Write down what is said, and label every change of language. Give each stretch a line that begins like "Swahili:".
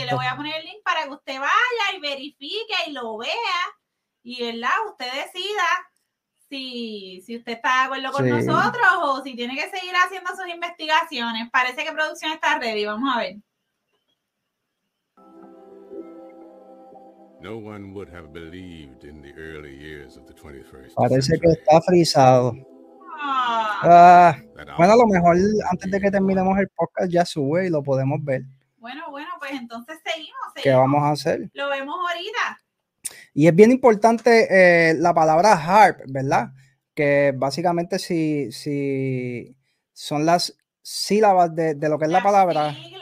Spanish: Yo le voy a poner el link para que usted vaya y verifique y lo vea, y ¿verdad? Usted decida si usted está de acuerdo con nosotros o si tiene que seguir haciendo sus investigaciones. Parece que producción está ready, vamos a ver.
English: No one would have believed in the early years of the 21st.
Spanish: Parece que está frisado. Bueno, a lo mejor antes de que terminemos el podcast ya sube y lo podemos ver. Bueno, pues entonces seguimos. ¿Qué vamos a hacer? Lo vemos ahorita. Y es bien importante la palabra HAARP, ¿verdad? Que básicamente si son las sílabas de lo que es la palabra.